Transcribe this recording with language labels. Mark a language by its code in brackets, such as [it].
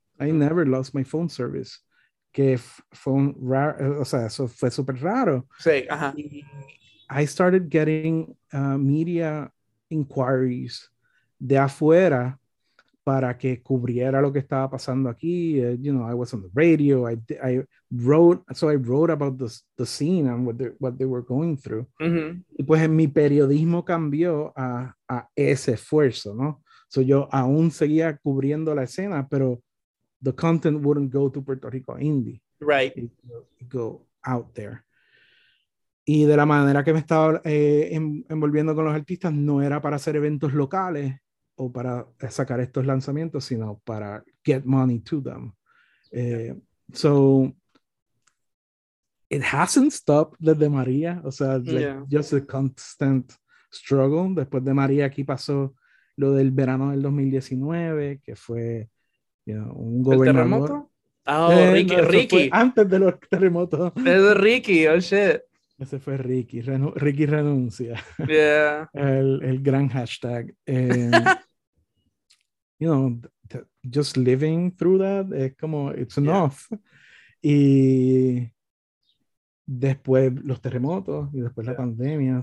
[en] I never lost my phone service, [es] que fue un raro, o sea, eso fue súper raro. Sí, ajá. [en] I started getting media inquiries [es] de afuera para que cubriera lo que estaba pasando aquí. [en] You know, I was on the radio. I wrote about the scene and what they were going through. Mm-hmm. [es] Y pues en mi periodismo cambió a ese esfuerzo, ¿no? So yo aún seguía cubriendo la escena, pero [en] the content wouldn't go to [es] Puerto Rico Indie. [en] Right. It would go out there. [es] Y de la manera que me estaba envolviendo con los artistas, no era para hacer eventos locales o para sacar estos lanzamientos, sino para [en] get money to them. So it hasn't stopped [es] desde María, o sea, [en] just a constant struggle. [es] Después de María aquí pasó lo del verano del 2019, que fue, [en] you know, [es] un gobernador. ¿El terremoto? Oh, Ricky. Antes de los terremotos. Es Ricky, [en] oh shit. [es] Ese fue Ricky, Ricky renuncia. [en] Yeah. [es] El gran hashtag. [en] You know, just living through that, [es] es como, [en] it's enough. [es] Yeah. Y después los terremotos y después la pandemia.